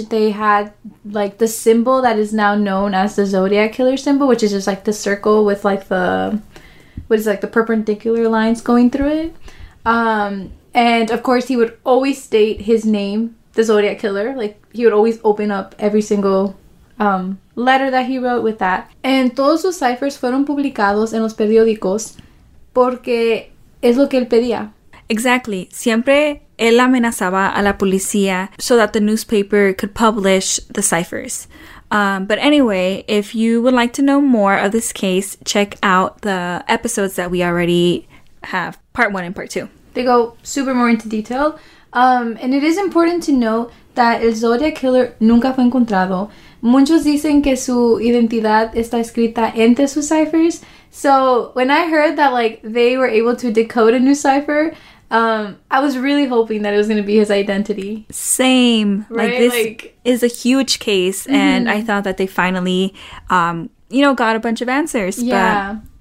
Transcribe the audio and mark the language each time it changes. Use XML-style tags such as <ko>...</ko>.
<en>They had like the symbol that is now known as the Zodiac Killer symbol, which is just like the circle with like the, what is it, like the perpendicular lines going through it. And of course he would always state his name, the Zodiac Killer. Like he would always open up every single letter that he wrote with that. And</en> <es>todos sus ciphers fueron publicados en los periódicos porque es lo que él pedía.</es> <en>Exactly.</en> <es>Siempre él amenazaba a la policía</es> <en>so that the newspaper could publish the ciphers. But anyway, if you would like to know more of this case, check out the episodes that we already have, part one and part two. They go super more into detail. And it is important to note that el Zodiac Killer</en> <es>nunca fue encontrado. Muchos dicen que su identidad está escrita entre sus ciphers.</es> <en>So when I heard that like they were able to decode a new cipher, I was really hoping that it was going to be his identity. Same. Right? Like this like, is a huge case. Mm-hmm. And I thought that they finally, you know, got a bunch of answers. Yeah.</en>